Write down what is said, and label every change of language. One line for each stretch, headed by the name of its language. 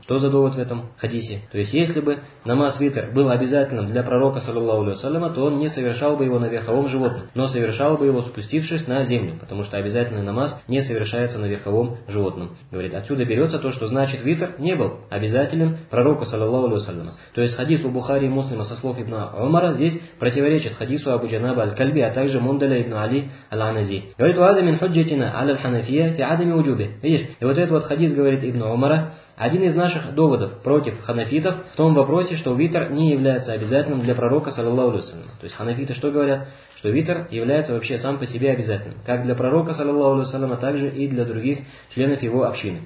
Russian: Кто задумывает в этом хадисе? То есть, если бы намаз витр был обязательным для пророка, саллаллаху алейхи ва саллям, то он не совершал бы его на верховом животном, но совершал бы его, спустившись на землю, потому что обязательный намаз не совершается на верховом животном. Говорит, отсюда берется то, что значит витр не был обязателен пророку, саллаллаху алейхи ва саллям. То есть, хадис у Бухари и Муслима со слов ибн Умара здесь противоречит хадису Абу Джанаба аль-Кальби, а также Мундаля ибн Али аль-Анази. Говорит,
Arabic: وهذا من حجتنا على الحنفية في عدم وجوبه.
Russian: Видишь, и вот этот вот хадис говорит ибн Умара, один из наших доводов против ханафитов в том вопросе, что витр не является обязательным для пророка, саллаллаху алейхи ва саллям. То есть ханафиты что говорят? Что витр является вообще сам по себе обязательным, как для пророка, саллаллаху алейхи ва саллям, а также и для других членов его общины.